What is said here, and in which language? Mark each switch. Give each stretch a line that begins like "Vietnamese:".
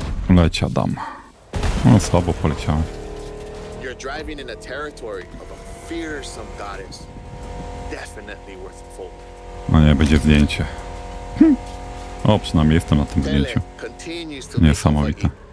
Polish: Leciał dam. No, słabo poleciałem.
English: You're driving in the territory of a fearsome goddess. Definitely worth a fold.
Polish: No nie, będzie zdjęcie. O, przynajmniej jestem na tym zdjęciu. Niesamowite.